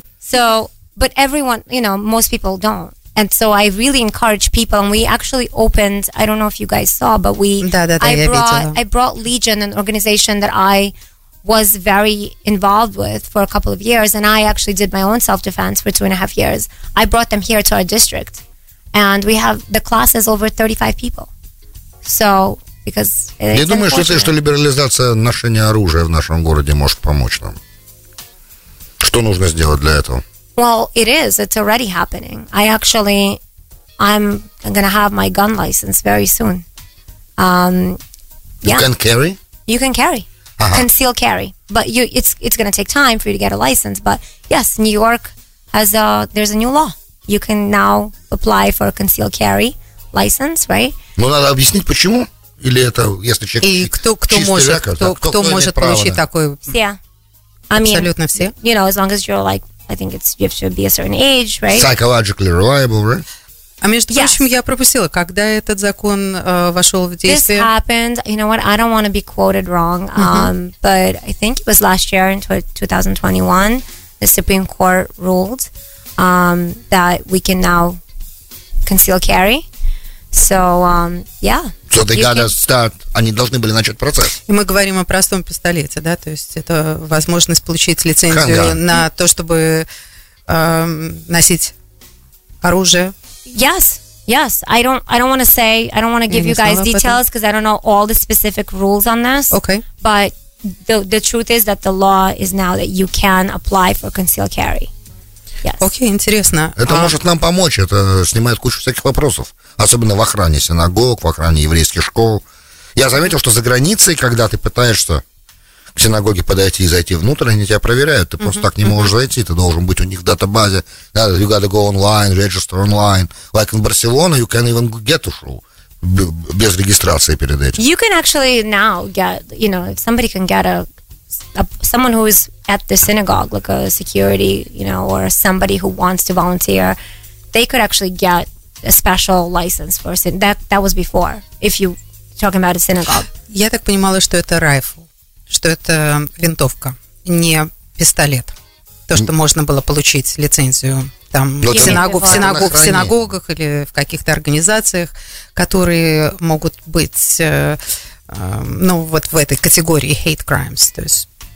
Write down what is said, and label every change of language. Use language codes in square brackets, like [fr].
[en] So, but everyone, you know, most people don't. And so I really encourage people, and we actually opened, I don't know if you guys saw, but I brought Legion, an organization that I was very involved with for a couple of years, and I actually did my own self-defense for 2.5 years. I brought them here to our district, and we have the classes over 35 people. So, because it's [ru] Не думаешь ли ты, что либерализация ношения оружия в нашем городе может помочь нам? Что нужно сделать для этого? [en] Well, it is. It's already happening. I'm going to have my gun license very soon. You can carry. Uh-huh. Concealed carry. But it's going to take time for you to get a license. But yes, New York there's a new law. You can now apply for a concealed carry license, right? [ru] Ну, надо объяснить, почему? Или это, если человек чистый рекорд? Кто может получить такое? Все. Абсолютно все. [en] You know, as long as you're like, I think it's you have to be a certain age, right? Psychologically reliable, right? [ru] А между прочим, я пропустила, когда этот закон вошел в действие. [en] This happened. You know what? I don't want to be quoted wrong, but I think it was last year in 2021. The Supreme Court ruled that we can now conceal carry. So, yeah. So they gotta start. [ru] Они должны были начать процесс. И мы говорим о простом пистолете, да? То есть это возможность получить лицензию на то, чтобы носить оружие. [en] Yes. I don't want to give you guys details because I don't know all the specific rules on this. Okay. But the truth is that the law is now that you can apply for concealed carry. Yes. [ru] Окей, интересно. Это может нам помочь, это снимает кучу всяких вопросов. Особенно в охране синагог, в охране еврейских школ. Я заметил, что за границей, когда ты пытаешься к синагоге подойти и зайти внутрь, они тебя проверяют, ты просто так не можешь зайти, ты должен быть у них в датабазе. [en] You gotta go online, register online. Like in Barcelona, you can even get to show. [ru] Без регистрации перед этим. [en] You can actually now get, you know, somebody can get someone who is at the synagogue, like a security, you know, or somebody who wants to volunteer, they could actually get a special license for that was before, if you talking about a synagogue. [ru] Я так понимала, что это rifle, что это винтовка, не пистолет. То, что можно было получить лицензию там в синагогах или в каких-то организациях, которые могут быть, ну, вот в этой категории [en] hate crimes, [ru] то есть.